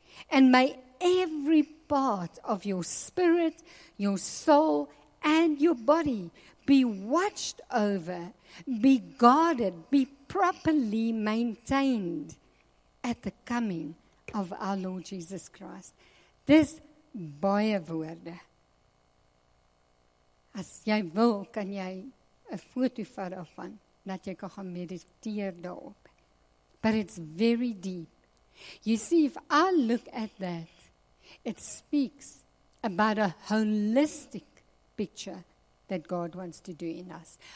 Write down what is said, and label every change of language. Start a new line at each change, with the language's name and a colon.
English: And may every part of your spirit, your soul, and your body be watched over, be guarded, be properly maintained at the coming of our Lord Jesus Christ.
Afrikaans: This baie woorde. As jy wil, kan jy een foto vat daarvan, dat jy kan gaan mediteer daarop.
English: But it's very deep. You see, if I look at that, it speaks about a holistic picture that God wants to do in us.